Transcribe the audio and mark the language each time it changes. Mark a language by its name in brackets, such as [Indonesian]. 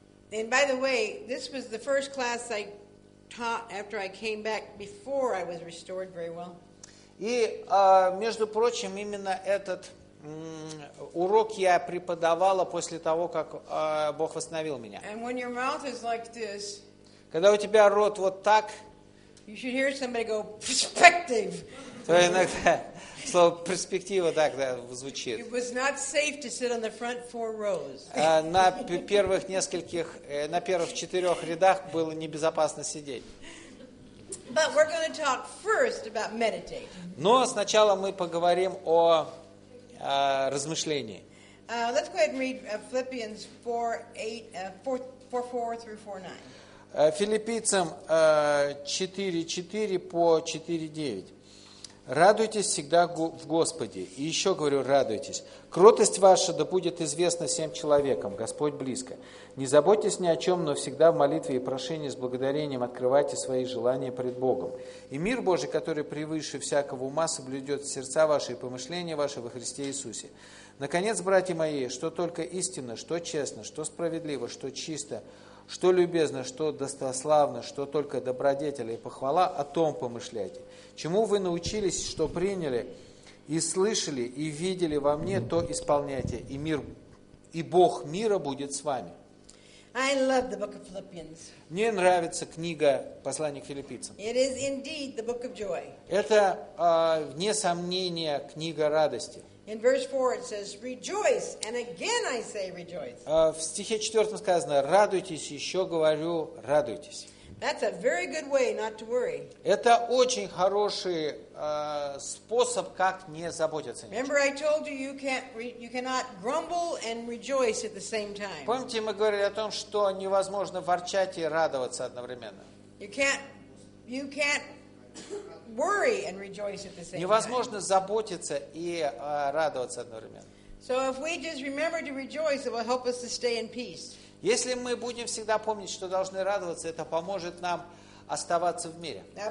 [English] And by the way, this was the first class I taught after I came back before I was restored very well. [Russian] И, между прочим, именно этот урок я преподавала после того, как Бог восстановил меня. [English] And when your mouth is like this, [Russian] когда у тебя рот вот так, [English] you should hear somebody go, perspective. [Russian] То иногда слово перспектива так да, звучит. [English] It was not safe to sit on the front four rows. [Russian] На первых нескольких, на первых четырех рядах было небезопасно сидеть. [English] But we're going to talk first about meditate. [Russian] Но сначала мы поговорим о размышлении. [English] Let's go ahead and read Philippians 4:4-4:9. [Russian] Филиппийцам 4:4-4:9. Радуйтесь всегда в Господе. И еще говорю, радуйтесь. Кротость ваша да будет известна всем человекам. Господь близко. Не заботьтесь ни о чем, но всегда в молитве и прошении с благодарением открывайте свои желания пред Богом. И мир Божий, который превыше всякого ума, соблюдет сердца ваши и помышления ваши во Христе Иисусе. Наконец, братья мои, что только истинно, что честно, что справедливо, что чисто, что любезно, что достославно, что только добродетель и похвала, о том помышляйте. Чему вы научились, что приняли, и слышали, и видели во мне, то исполняйте. И мир, и Бог мира будет с вами. [English] I love the book of Philippians. [Russian] Мне нравится книга «Послание к филиппийцам». [English] It is indeed the book of joy. [Russian] Это, вне сомнения, книга радости. [English] In verse 4 it says, rejoice, and again I say rejoice. [Russian] В стихе 4 сказано, радуйтесь, еще говорю, радуйтесь. [English] That's a very good way not to worry. [Russian] Это очень хороший способ, как не заботиться. [English] Remember, I told you you cannot grumble and rejoice at the same time. [Russian] Помните, мы говорили о том, что невозможно ворчать и радоваться одновременно. [English] You can't worry and rejoice at the same time. [Russian] Невозможно заботиться и радоваться одновременно. [English] So if we just remember to rejoice, it will help us to stay in peace. [Russian] Если мы будем всегда помнить, что должны радоваться, это поможет нам оставаться в мире.